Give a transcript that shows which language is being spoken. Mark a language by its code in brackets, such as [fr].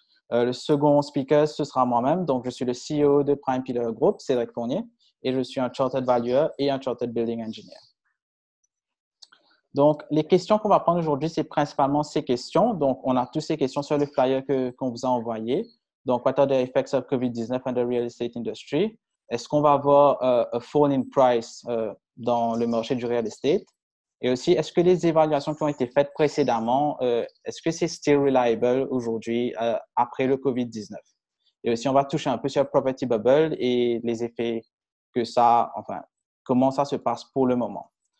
[fr] Le second speaker, ce sera moi-même. Donc, je suis le CEO de Prime Pillar Group, Cédric Fournier, et je suis un Chartered Valuer et un Chartered Building Engineer. Donc, les questions qu'on va prendre aujourd'hui, c'est principalement ces questions. Donc, on a toutes ces questions sur le flyer qu'on vous a envoyé. Donc, [en] what are the effects of COVID-19 on the real estate industry? [fr] Est-ce qu'on va avoir [en] a fall in price [fr] dans le marché du real estate? Et aussi, est-ce que les évaluations qui ont été faites précédemment, est-ce que c'est [en] still reliable [fr] aujourd'hui après le COVID-19? Et aussi, on va toucher un peu sur le property bubble et les effets que ça, enfin, comment ça se passe pour le moment.